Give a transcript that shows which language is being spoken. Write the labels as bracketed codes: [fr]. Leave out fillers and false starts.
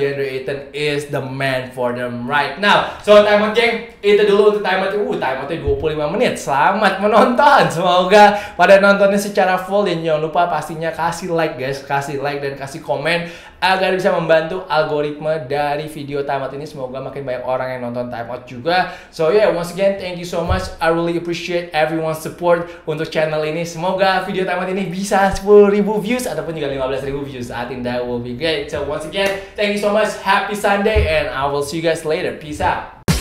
[en] DeAndre Ayton is the man for them right now. [id] So, timeout, geng, itu dulu untuk timeout-nya. Timeout-nya 25 menit, selamat menonton. Semoga pada nontonnya secara full, dan jangan lupa pastinya kasih like, guys, kasih like dan kasih komen agar bisa membantu algoritma dari video timeout ini. Semoga makin banyak orang yang nonton timeout juga. [en] So yeah, once again, thank you so much. I really appreciate everyone's support [id] untuk channel ini. Semoga video timeout ini bisa 10.000 views ataupun juga 15.000 views. [en] I think that will be great. So once again, thank you so much. Happy Sunday and I will see you guys later. Peace out.